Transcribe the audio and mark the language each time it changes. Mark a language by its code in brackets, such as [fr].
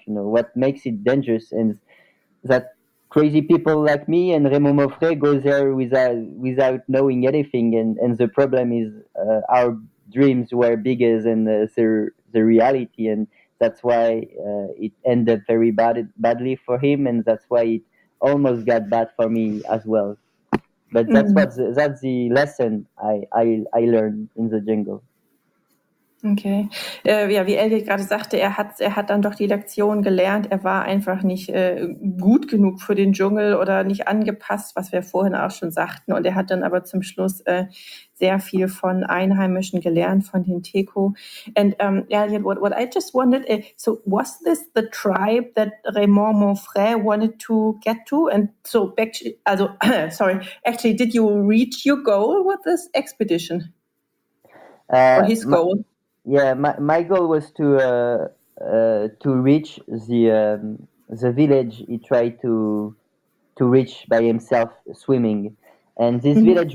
[en] You know what makes it dangerous, and that crazy people like me and Raymond Moffret go there without knowing anything, and the problem is our dreams were bigger than the reality, and that's why it ended very badly for him, and that's why it almost got bad for me as well. But that's that's the lesson I learned in the jungle. Okay. [de] Ja, wie Elliot gerade sagte, er hat dann doch die Lektion gelernt. Er war einfach nicht gut genug für den Dschungel oder nicht angepasst, was wir vorhin auch schon sagten. Und er hat dann aber zum Schluss sehr viel von Einheimischen gelernt, von den Teko. [en] And Elliot, what I just wondered, so was this the tribe that Raymond Moffret wanted to get to? And so, actually, did you reach your goal with this expedition? Or his goal? Yeah, my goal was to reach the village he tried to reach by himself swimming, and this mm-hmm.